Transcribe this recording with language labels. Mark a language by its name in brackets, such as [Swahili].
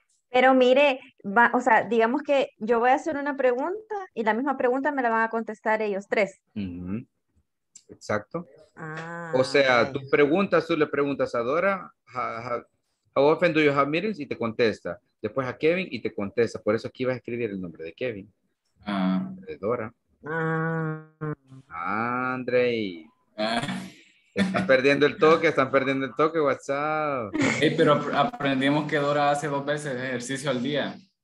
[Spanish] Pero mire, va, o sea, digamos que yo voy a hacer una pregunta y la misma pregunta me la van a contestar ellos tres. Mm-hmm. Exacto. Ah, o sea, okay. Tú le preguntas a Dora, [English] how often do you have meetings? [Spanish] Y te contesta. Después a Kevin y te contesta. Por eso aquí vas a escribir el nombre de Kevin. De Dora. Andrei. Están perdiendo el toque, están perdiendo el toque, WhatsApp. Hey, pero aprendimos que Dora hace dos veces ejercicio al día.